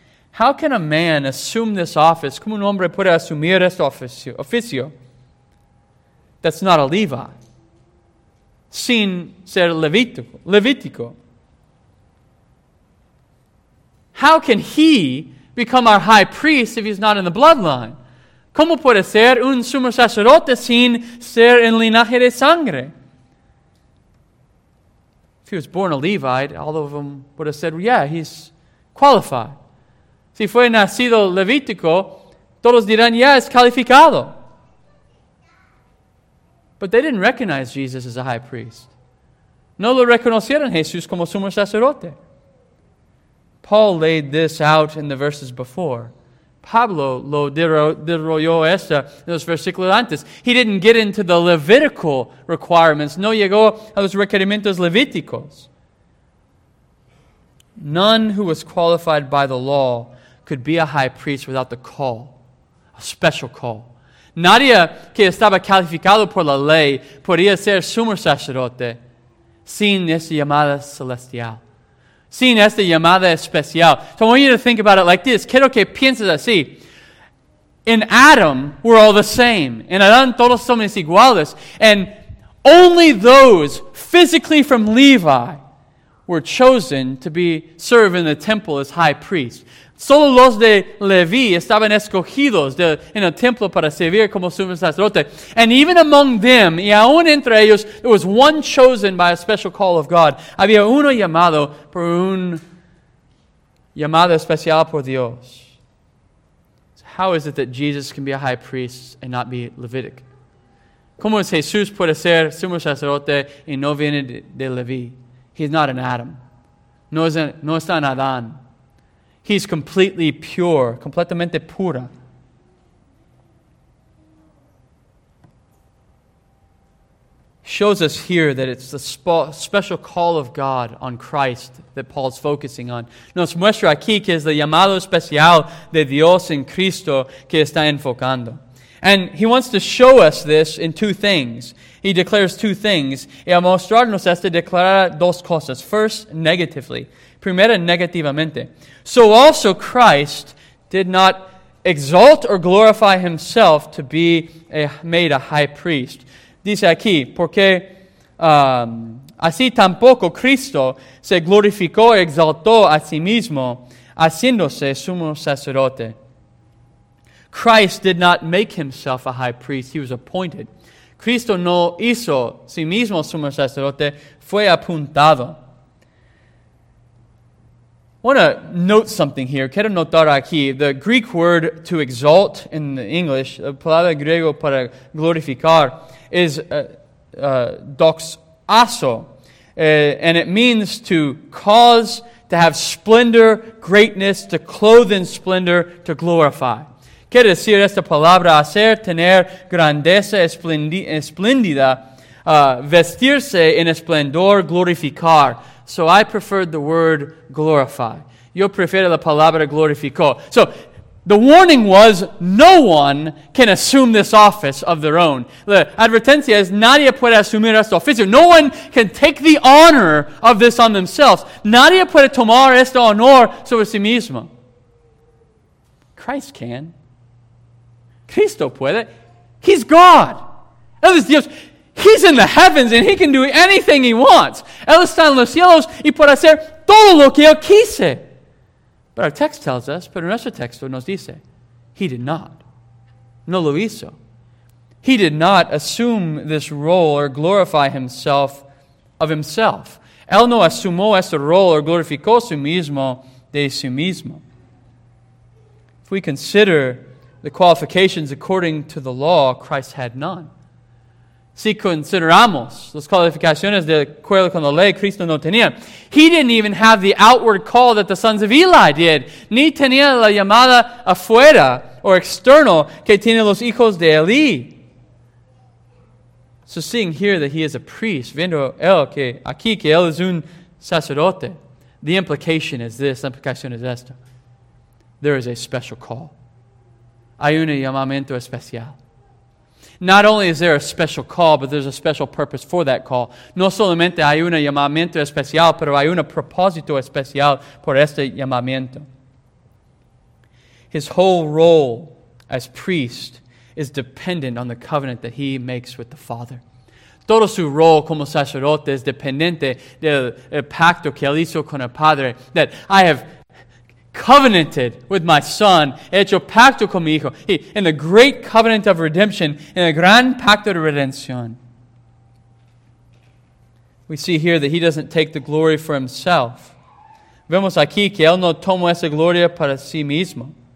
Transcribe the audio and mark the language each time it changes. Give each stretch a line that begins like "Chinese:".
English: How can a man assume this office?
Spanish: ¿Cómo un hombre puede asumir este oficio?
English: That's not a Levi.
Spanish: Sin ser levítico.
English: How can he become our high priest if he's not in the bloodline?
Spanish: ¿Cómo puede ser un sumo sacerdote sin ser en linaje de sangre?
English: If he was born a Levite, all of them would have said, well, yeah, he's qualified.
Spanish: Si fue nacido levítico, todos dirán, ya, es calificado.
English: But they didn't recognize Jesus as a high priest.
Spanish: No lo reconocieron Jesús como sumo sacerdote.
English: Paul laid this out in the verses before.
Spanish: Pablo lo desarrolló esta en los versículos antes.
English: He didn't get into the Levitical requirements.
Spanish: No llegó a los requerimientos levíticos.
English: None who was qualified by the law could be a high priest without the call, a special call.
Spanish: Nadie que estaba calificado por la ley podía ser sumo sacerdote sin esta llamada celestial. Sin esta llamada especial.
English: So I want you to think about it like this.
Spanish: Quiero que pienses así.
English: In Adam, we're all the same.
Spanish: En Adán, todos somos iguales.
English: And only those physically from Levi were chosen to be serve in the temple as high priest.
Spanish: Solo los de Levi estaban escogidos en el templo para servir como sumo sacerdote.
English: And even among them,
Spanish: y aún entre ellos,
English: there was one chosen by a special call of God.
Spanish: Había uno llamado por un llamado especial por Dios.
English: So how is it that Jesus can be a high priest and not be Levitic?
Spanish: ¿Cómo es Jesús puede ser sumo sacerdote y no viene de Levi?
English: He's not an Adam.
Spanish: No está en Adán.
English: He's completely pure,
Spanish: completamente pura.
English: Shows us here that it's the special call of God on Christ that Paul's focusing on.
Spanish: Nos muestra aquí que es el llamado especial de Dios en Cristo que está enfocando.
English: And he wants to show us this in two things. He declares two things.
Spanish: Y a mostrarnos esto declara dos cosas.
English: First, negatively.
Spanish: Primera, negativamente.
English: So also Christ did not exalt or glorify himself to be made a high priest.
Spanish: Dice aquí, porque así tampoco Cristo se glorificó y exaltó a sí mismo haciéndose sumo sacerdote.
English: Christ did not make himself a high priest. He was appointed.
Spanish: Cristo no hizo sí mismo sumo sacerdote. Fue apuntado.
English: I want to note something here.
Spanish: Quiero notar aquí.
English: The Greek word to exalt in the English,
Spanish: la palabra griego para glorificar,
English: is doxazo. And it means to cause, to have splendor, greatness, to clothe in splendor, to glorify.
Spanish: Quiere decir esta palabra, hacer, tener grandeza, esplendida, vestirse en esplendor, glorificar.
English: So I preferred the word glorify.
Spanish: Yo prefiero la palabra glorificó.
English: So the warning was no one can assume this office of their own.
Spanish: La advertencia es nadie puede asumir este oficio.
English: No one can take the honor of this on themselves.
Spanish: Nadie puede tomar este honor sobre sí mismo.
English: Christ can.
Spanish: Cristo puede.
English: He's God.
Spanish: Él es Dios.
English: He's in the heavens and he can do anything he wants.
Spanish: Él está en los cielos y puede hacer todo lo que él quise.
English: But our text tells us,
Spanish: pero nuestro texto nos dice,
English: he did not.
Spanish: No lo hizo.
English: He did not assume this role or glorify himself of himself.
Spanish: Él no asumió este rol or glorificó su mismo de su mismo.
English: If we consider the qualifications according to the law, Christ had none.
Spanish: Si consideramos las calificaciones de acuerdo con la ley, Cristo no tenía.
English: He didn't even have the outward call that the sons of Eli did.
Spanish: Ni tenía la llamada afuera or external que tienen los hijos de Eli.
English: So seeing here that he is a priest,
Spanish: viendo él que aquí que él es un sacerdote,
English: the implication is this,
Spanish: la implicación es esta.
English: There is a special call.
Spanish: Hay un llamamiento especial.
English: Not only is there a special call, but there's a special purpose for that call.
Spanish: No solamente hay un llamamiento especial, pero hay un propósito especial por este llamamiento.
English: His whole role as priest is dependent on the covenant that he makes with the Father.
Spanish: Todo su rol como sacerdote es dependiente del pacto que él hizo con el Padre,
English: that I have covenanted with my son,
Spanish: he hecho pacto con mi hijo.
English: He, in the great covenant of redemption, in the
Spanish: gran pacto de redención.
English: We see here that he doesn't take the glory for himself.
Spanish: Vemos aquí que él no tomó esa gloria para sí mismo.